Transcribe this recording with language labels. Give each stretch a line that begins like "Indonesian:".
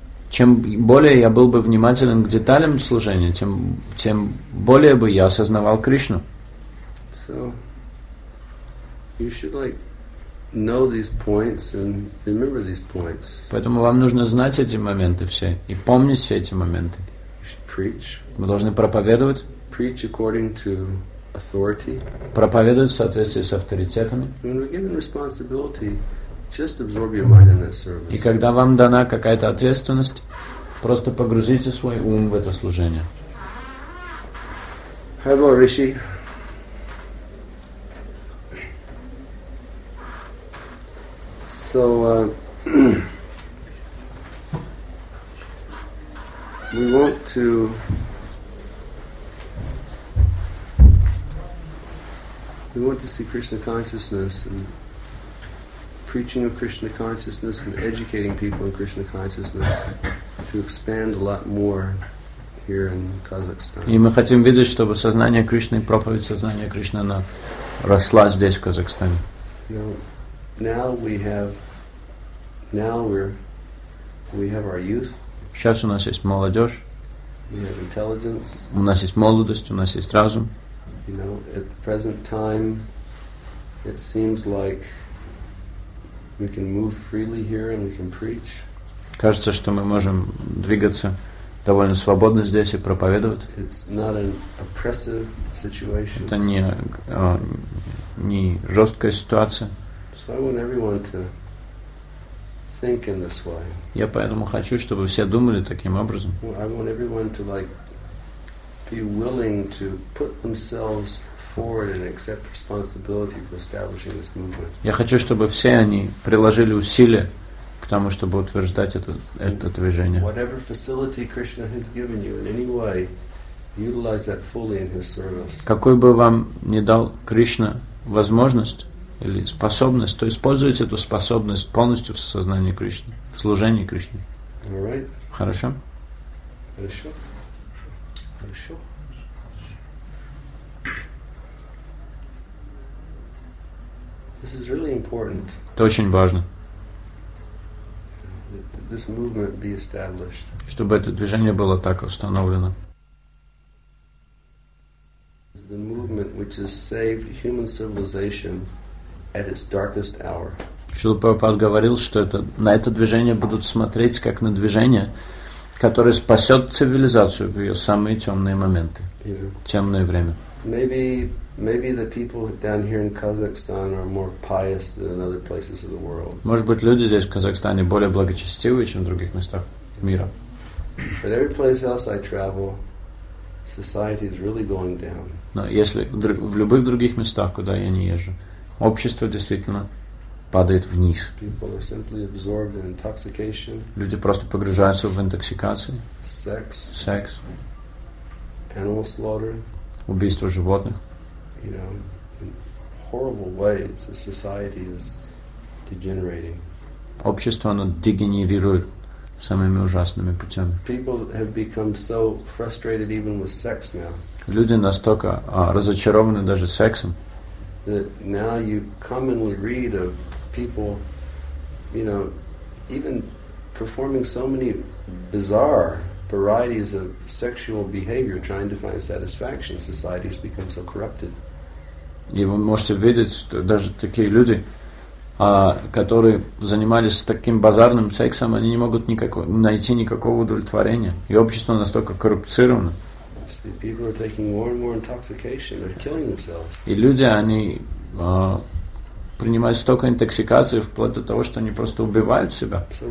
Russian: Чем более я был бы внимателен к деталям служения, тем более бы я осознавал Кришну.
English: So you should like know these points and remember these points.
Russian: Поэтому вам нужно знать эти моменты все и помнить все эти моменты.
English: You should preach.
Russian: Мы должны проповедовать.
English: Preach according to authority.
Russian: Проповедовать в соответствии с авторитетами.
English: When we're given responsibility, just absorb your mind in that service.
Russian: И когда вам дана какая-то ответственность, просто погрузите свой ум в это служение.
English: Hello, Rishi. So we want to see Krishna consciousness and preaching of Krishna consciousness and educating people in Krishna consciousness to expand a lot more here in Kazakhstan.
Russian: И мы хотим видеть, чтобы сознание Кришны, проповедь сознания Кришны, она росла здесь, в Казахстане.
English: Now we have our youth.
Russian: Сейчас у нас есть молодежь.
English: We have intelligence.
Russian: У нас есть молодость, у нас есть разум.
English: You know, at the present time, it seems like we can move freely here and we can preach.
Russian: Кажется, что мы можем двигаться довольно свободно здесь и проповедовать.
English: It's not an oppressive situation.
Russian: Это не жесткая ситуация.
English: So I want everyone to think in this way.
Russian: Я поэтому хочу, чтобы все думали таким образом.
English: I want everyone to like be willing to put themselves forward and accept responsibility for establishing this movement.
Russian: Я хочу, чтобы все они приложили усилия к тому, чтобы утверждать это движение.
English: Whatever facility Krishna has given you in any way, utilize that fully in his service.
Russian: Какой бы вам ни дал Кришна возможность или способность, то используйте эту способность полностью в сознании Кришны, в служении Кришне.
English: All right.
Russian: Хорошо? Хорошо.
English: This is really important.
Russian: Это очень важно.
English: This movement be established.
Russian: Чтобы это движение было так установлено.
English: The movement which has saved human civilization at its darkest hour.
Russian: Шрила Прабхупада говорил, что на это движение будут смотреть как на движение, которое спасет цивилизацию в ее самые темные моменты, темное время.
English: Maybe the people down here in Kazakhstan are more pious than in other places of the world.
Russian: Может быть, люди здесь в Казахстане более благочестивы, чем в других местах мира.
English: But every place else I travel, society is really going down.
Russian: Но если в любых других местах, куда я не езжу, общество действительно падает вниз.
English: People are simply absorbed in intoxication.
Russian: Люди просто погружаются в интоксикации.
English: Sex. Animal slaughter.
Russian: Убийство животных.
English: You know, in horrible ways, the society is degenerating.
Russian: Общество оно дегенерирует самыми ужасными путями.
English: People have become so frustrated even with sex now.
Russian: Люди настолько разочарованы даже сексом.
English: That now you commonly read of people, you know, even performing so many bizarre varieties of sexual behavior, trying to find satisfaction. Society has become so corrupted.
Russian: И вы можете видеть, что даже такие люди, которые занимались таким базарным сексом, они не могут найти никакого удовлетворения. И общество настолько коррупцировано. И люди, они принимают столько интоксикации, вплоть до того, что они просто убивают себя.